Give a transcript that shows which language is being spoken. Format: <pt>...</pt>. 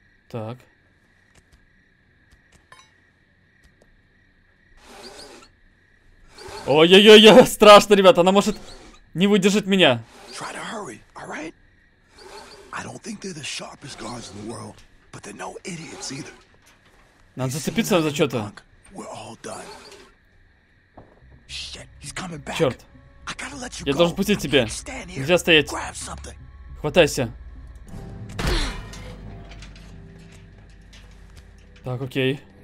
<ru>Так. Ой-ой-ой-ой, страшно, ребят, она может не выдержать меня.</ru> <en>Try to hurry, alright? I don't think they're the sharpest guards in the world, but they're no idiots either.</en> <ru>Надо зацепиться за что-то.</ru> <en>We're all done. Shit, he's coming back.</en> <ru>Черт.</ru> <en>I gotta let you go.</en> <ru>Я должен пустить тебя. Нельзя стоять.</ru> <en>Grab something.</en> <ru>Хватайся. Так, окей.</ru>